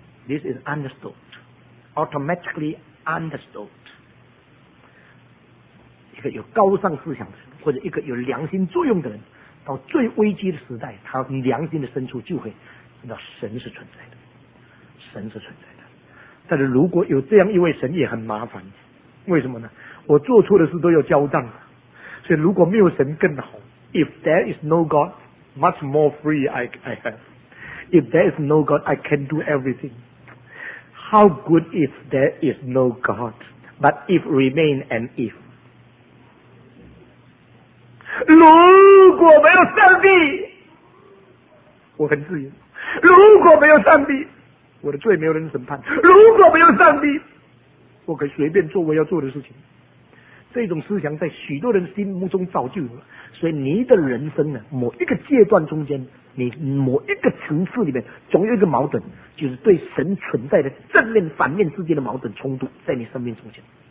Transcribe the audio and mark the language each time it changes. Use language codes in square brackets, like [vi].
[en] This is understood automaticallyunderstood， [zh] 一个有高尚思想的人，或者一个有良心作用的人，到最危机的时代，他良心的深处就会知道神是存在的，神是存在的。但是如果有这样一位神也很麻烦，为什么呢？我做错的事都要交账，所以如果没有神更好。 [en] If there is no God, much more free I have. If there is no God, I can do everythingHow good if there is no God, but if remain an if. [zh] 如果没有上帝，我很自由；如果没有上帝，我的罪没有人审判；如果没有上帝，我可以随便做我要做的事情。这种思想在许多人心目中早就有了，所以你的人生呢，某一个阶段中间，你某一个层次里面总有一个矛盾，就是对神存在的正面反面之间的矛盾冲突在你生命中间。